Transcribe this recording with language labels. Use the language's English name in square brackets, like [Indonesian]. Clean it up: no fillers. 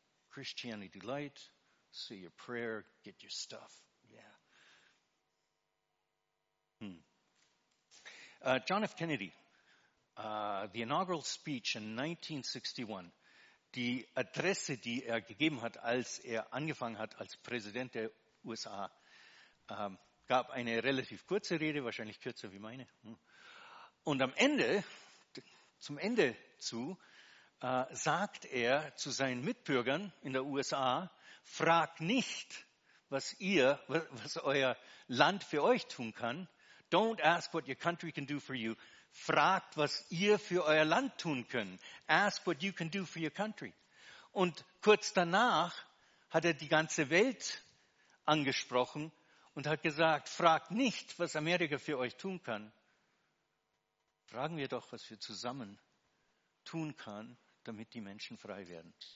[English] Christianity light, say your prayer, get your stuff. Yeah. John F. [German] Kennedy, [English] the inaugural speech in 1961, [German] die Adresse, die er gegeben hat, als er angefangen hat als Präsident der USA, gab eine relativ kurze Rede, wahrscheinlich kürzer wie meine. Und am Ende, zum Ende zu, sagt er zu seinen Mitbürgern in der USA, frag nicht, was euer Land für euch tun kann. [English] Don't ask what your country can do for you. [German] Fragt, was ihr für euer Land tun könnt. [English] Ask what you can do for your country. [German] Und kurz danach hat er die ganze Welt angesprochen und hat gesagt, fragt nicht, was Amerika für euch tun kann. Fragen wir doch, was wir zusammen tun können, damit die Menschen frei werden.